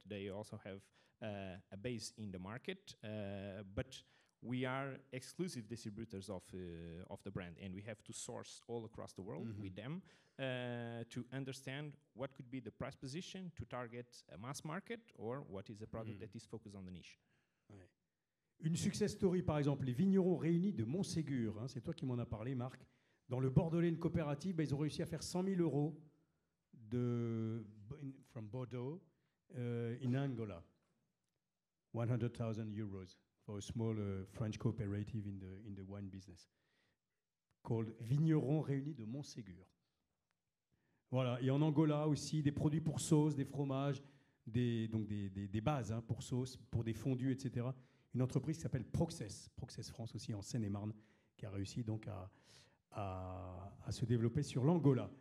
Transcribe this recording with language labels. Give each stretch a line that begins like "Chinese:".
English: They also have a base in the market, but we are exclusive distributors of the brand, and we have to source all across the world with them to understand what could be the price position to target a mass market or what is a product that is focused on the niche.
French: Ouais. Une success story, par exemple, les vignerons réunis de Montségur, hein, c'est toi qui m'en as parlé, Marc, dans le Bordelais, une coopérative, bah, ils ont réussi à faire 100 000 euros
English: from Bordeaux in Angola.
French: 100 000 euros.
English: A small French cooperative in the wine business called Vignerons Réunis de Montségur.
French: Voilà, et en Angola aussi, des produits pour sauce, des fromages, des bases hein, pour sauce, pour des fondus, etc. Une entreprise qui s'appelle Proxess France aussi en Seine-et-Marne, qui a réussi donc à se développer sur l'Angola.